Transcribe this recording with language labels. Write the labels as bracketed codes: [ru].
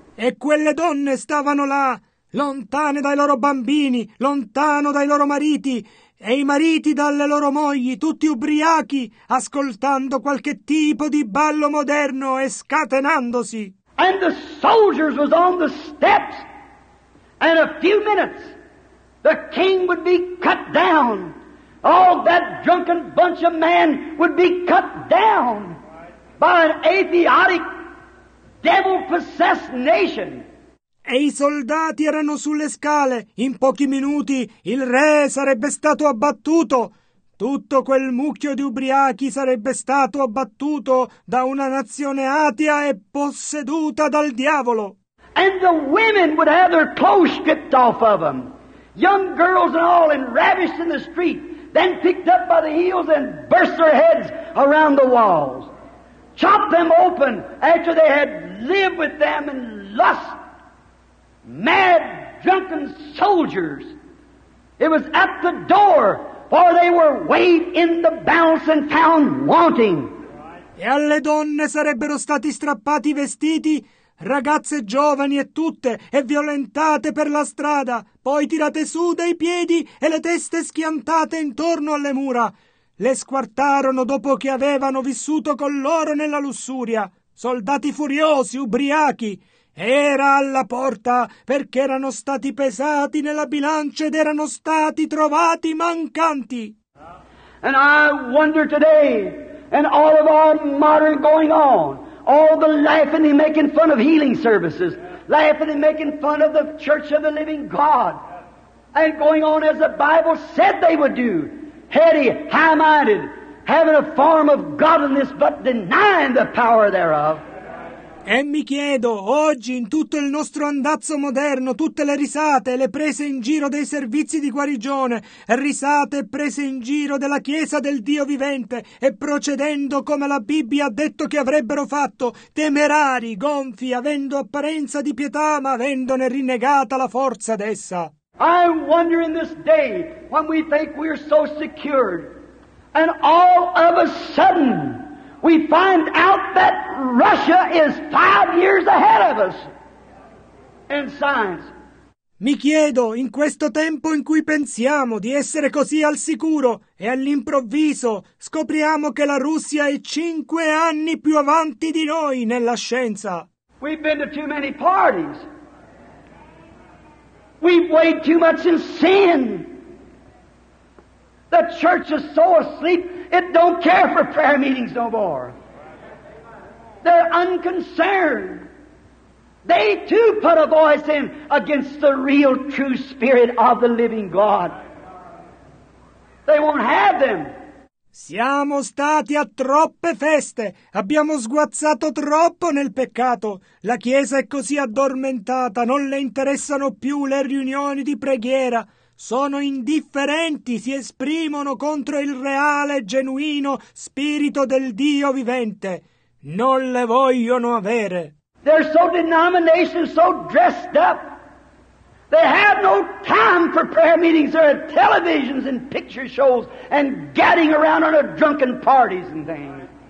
[it] E quelle donne stavano là, lontane dai loro bambini, lontano dai loro mariti, e i mariti dalle loro mogli, tutti ubriachi, ascoltando qualche tipo di ballo moderno e scatenandosi. [en] And the soldiers was on the steps, and a few minutes, the king would be cut down. All that drunken bunch of men would be cut down. By an atheotic, devil-possessed nation. [it] E i soldati erano sulle scale. In pochi minuti il re sarebbe stato abbattuto. Tutto quel mucchio di ubriachi sarebbe stato abbattuto da una nazione atea e posseduta dal diavolo. [en] And the women would have their clothes stripped off of them. Young girls and all, and ravished in the street, then picked up by the heels and burst their heads around the walls. Chop them open after they had lived with them in lust. Mad, drunken soldiers. It was at the door, for they were weighed in the balance and found wanting. [it] E alle donne sarebbero stati strappati i vestiti, ragazze giovani e tutte, e violentate per la strada, poi tirate su dai piedi e le teste schiantate intorno alle mura. Le squartarono dopo che avevano vissuto con loro nella lussuria. Soldati furiosi, ubriachi. Era alla porta perché erano stati pesati nella bilancia ed erano stati trovati mancanti. [en] And I wonder today, and all of our modern going on, all the laughing and making fun of healing services, laughing and making fun of the Church of the Living God, and going on as the Bible said they would do, heady, high-minded, having a form of godliness but denying the power thereof. [it] E mi chiedo, oggi, in tutto il nostro andazzo moderno, tutte le risate e le prese in giro dei servizi di guarigione, risate e prese in giro della Chiesa del Dio vivente, e procedendo come la Bibbia ha detto che avrebbero fatto, temerari, gonfi, avendo apparenza di pietà, ma avendone rinnegata la forza d'essa. [en] I wonder in this day, when we think we're so secured, and all of a sudden we find out that Russia is 5 years ahead of us in science. [it] Mi chiedo, in questo tempo in cui pensiamo di essere così al sicuro, e all'improvviso scopriamo che la Russia è 5 anni più avanti di noi nella scienza. [en] We've been to too many parties. We've weighed too much in sin. The church is so asleep. It don't care for prayer meetings no more. They're unconcerned. They too put a voice in against the real true spirit of the living God. They won't have them. [it] Siamo stati a troppe feste. Abbiamo sguazzato troppo nel peccato. La Chiesa è così addormentata. Non le interessano più le riunioni di preghiera. Sono indifferenti, si esprimono contro il reale, genuino spirito del Dio vivente. Non le vogliono avere. [en] They're so denominational, so dressed up. They have no time for prayer meetings or televisions and picture shows and gadding around on a drunken parties and things.